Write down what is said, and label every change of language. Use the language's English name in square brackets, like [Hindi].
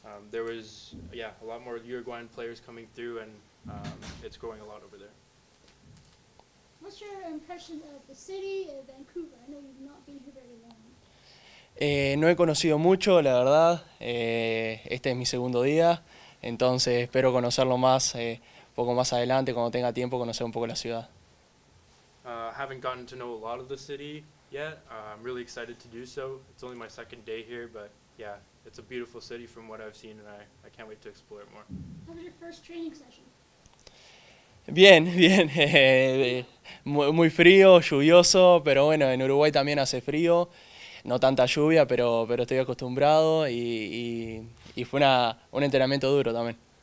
[English] There was, a lot more Uruguayan players coming through, and it's growing a lot over there. What's your impression of the city of Vancouver? I know you've not been here very long. [Spanish] No he conocido mucho, la verdad. Este es mi segundo día, entonces espero conocerlo más, poco más adelante, cuando tenga tiempo, conocer un poco la ciudad. [English] Haven't gotten to know a lot of the city yet. I'm really excited to do so. It's only my second day here, but yeah. It's a beautiful city from what I've seen, and I can't wait to explore it more. How was your first training session? [Spanish] Bien, bien. Muy frío, lluvioso, pero bueno, en Uruguay también hace frío. No tanta lluvia, pero estoy acostumbrado, y fue un entrenamiento duro también.